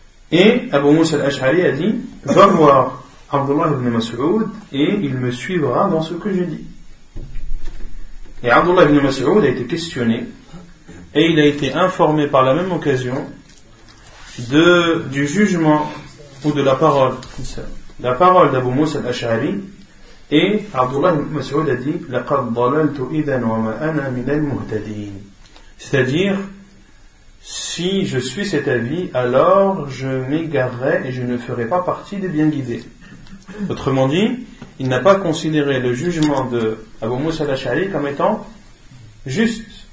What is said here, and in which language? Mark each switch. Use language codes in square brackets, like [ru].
[fr] Et Abu Musa al-Ash'ari a dit: va voir Abdullah ibn Mas'ud et il me suivra dans ce que je dis. Et Abdullah ibn Mas'ud a été questionné et il a été informé par la même occasion du jugement ou de la parole. La parole d'Abu Musa al-Ash'ari. Et Abdullah ibn Mas'ud a dit: [ar] لَقَدْ ضَلَلْتُ إِذَنْ وَمَا أَنَا مِنَ الْمُهْتَدِينَ. [fr] C'est-à-dire, si je suis cet avis, alors je m'égarerai et je ne ferai pas partie des bien guidés. Autrement dit, il n'a pas considéré le jugement de Abu Musa al-Ash'ari comme étant juste.